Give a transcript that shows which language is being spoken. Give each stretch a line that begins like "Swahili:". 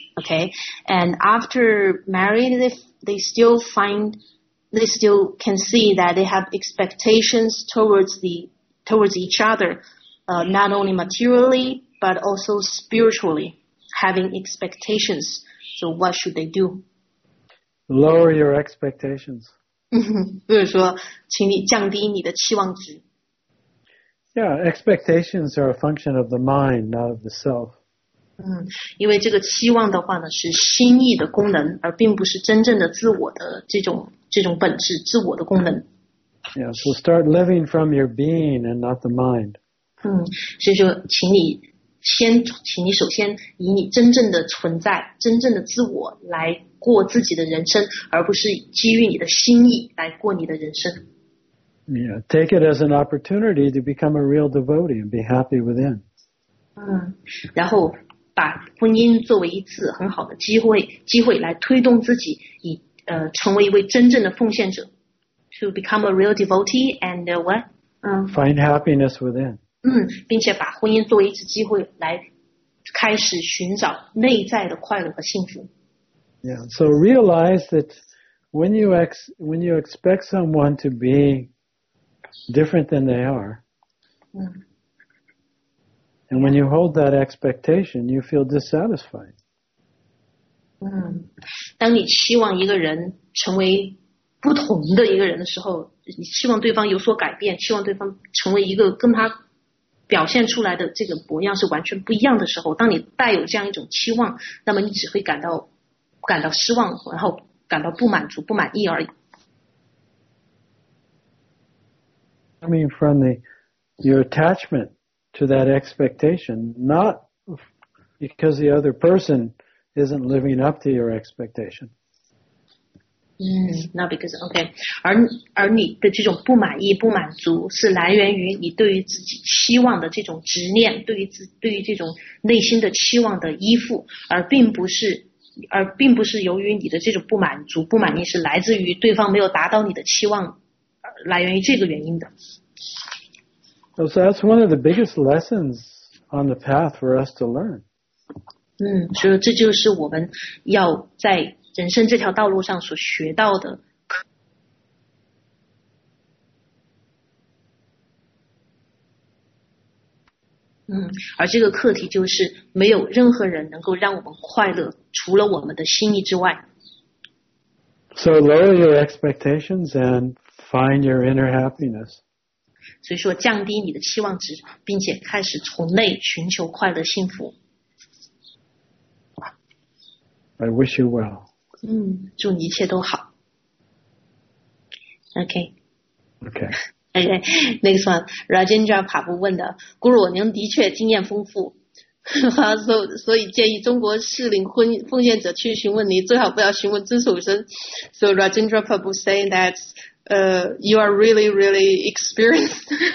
English: Okay, and after married, they still can see that they have expectations towards each other, not only materially but also spiritually, having expectations. So what should they do? Lower your expectations.
Chinese: 比如说，请你降低你的期望值。
English: Yeah, expectations are a function of the mind, not of the self.
Chinese: 嗯，因为这个期望的话呢，是心意的功能，而并不是真正的自我的这种本质，自我的功能。
English: Yeah, so start living from your being and not the mind.
Chinese: 嗯，所以说，请你首先以你真正的存在、真正的自我来过自己的人生，而不是基于你的心意来过你的人生。
English: Yeah, take it as an opportunity to become a real devotee and be happy within.
Chinese: 嗯，然后把婚姻作为一次很好的机会来推动自己以成为一位真正的奉献者。
English: To become a real devotee and what? Find happiness within.
Chinese: 嗯，并且把婚姻作为一次机会来开始寻找内在的快乐和幸福。
English: Yeah, so realize that when you expect someone to be different than they are, and when you hold that expectation, you feel dissatisfied.
Chinese: 嗯，当你期望一个人成为不同的一个人的时候，你期望对方有所改变，期望对方成为一个跟他表现出来的这个模样是完全不一样的时候，当你带有这样一种期望，那么你只会感到失望，然后感到不满足、不满意而已。
English: Coming from your attachment to that expectation, not because the other person isn't living up to your expectation. Not because, okay.
Chinese: 而你的这种不满意、不满足是来源于你对于自己期望的这种执念，对于这种内心的期望的依附，而并不是由于你的这种不满足、不满意是来自于对方没有达到你的期望，来源于这个原因的。
English: So that's one of the biggest lessons on the path for us to learn.
Chinese: 嗯，所以这就是我们要在人生这条道路上所学到的。嗯，而这个课题就是没有任何人能够让我们快乐，除了我们的心意之外。
English: So lower your expectations and find your inner happiness.
Chinese: 所以说降低你的期望值，并且开始从内寻求快乐幸福。
English: I wish you well.
Chinese: 嗯，祝你一切都好。
English: Okay. Okay. Okay, next one.
Chinese: Rajendra Prabhu 问的 ,Guru, 您的确经验丰富。所以建议中国适龄奉献者去询问你，最好不要询问遵守生。
English: So Rajendra Prabhu saying that, you are really, really experienced.